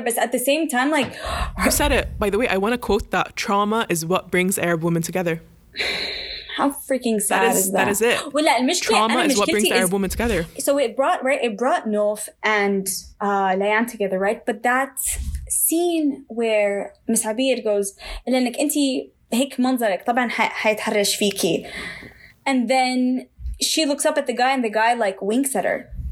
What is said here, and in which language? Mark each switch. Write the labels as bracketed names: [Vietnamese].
[English] But at the same time, like... You said it. By the way, I want to quote that. Trauma is what brings Arab women together. How freaking sad is that? Well, like, trauma is what brings Arab women together. So it brought Nof and Layan together, right? But that scene where Ms. [Arabic] Abir goes, لأنك أنت هيك منظرك طبعا حيتحرش فيكي. [English] And then she looks up at the guy and the guy like winks at her.